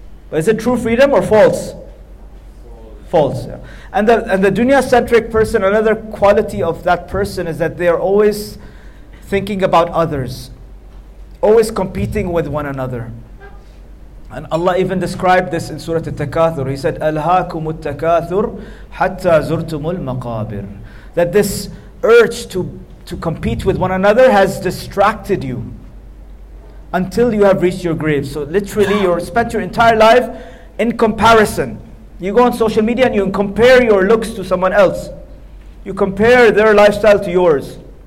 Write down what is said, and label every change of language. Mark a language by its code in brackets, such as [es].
[en] But is it true freedom or false? False. Yeah. And the dunya-centric person, another quality of that person is that they are always thinking about others, always competing with one another. And Allah even described this in Surah At-Takathur. He said, [ar] أَلْهَاكُمُ التَّكَاثُرُ حَتَّى زُرْتُمُ الْمَقَابِرُ. [en] That this urge to compete with one another has distracted you until you have reached your grave. So literally, you spent your entire life in comparison. You go on social media and you compare your looks to someone else. You compare their lifestyle to yours.